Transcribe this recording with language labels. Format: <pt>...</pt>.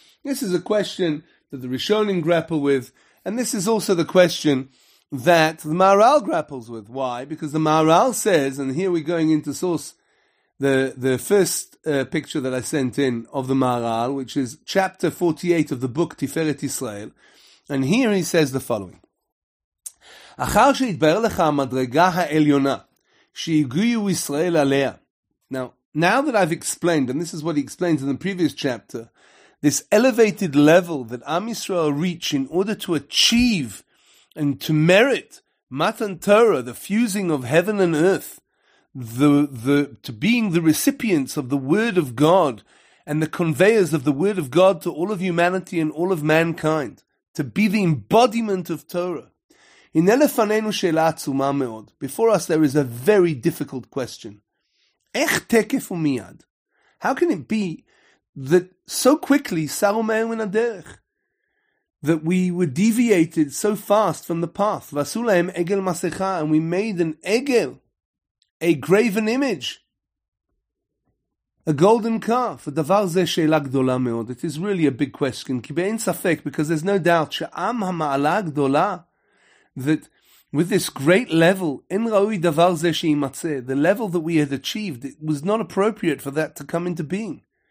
<en>This is a question that the Rishonim grapple with, and this is also the question that the Maharal grapples with. Why? Because the Maharal says, and here we're going into source, the first picture that I sent in of the Maharal, which is chapter 48 of the book Tiferet Yisrael, and here he says the following.</en> <he>אחר שהתבאר לך המדרגה העליונה שהגיעו ישראל עליה.</he> <en>Now that I've explained, and this is what he explains in the previous chapter, this elevated level that Am Yisrael reach in order to achieve and to merit Matan Torah, the fusing of heaven and earth, to being the recipients of the Word of God and the conveyors of the Word of God to all of humanity and all of mankind, to be the embodiment of Torah.</en> <he>הנה לפנינו שאלה עצומה מאוד.</he> <en>Before us there is a very difficult question.</en> <he>איך תקף ומיד?</he> <en>How can it be that so quickly</en> <he>סרו מהר מן הדרך?</he> <en>That we were deviated so fast from the path.</en> <he>ועשו להם עגל מסכה,</he> <en>and we made an egel, a graven image, a golden calf.</en> <he>הדבר זה שאלה גדולה מאוד.</he> <en>It is really a big question.</en> <he>כי באין ספק,</he> <en>because there's no doubt,</en> <he>שעם המעלה הגדולה,</he> <en>that with this great level,</en> <he>in ra'ui davar ze she'imatze,</he> <en>the level that we had achieved, it was not appropriate for that to come into being.</en>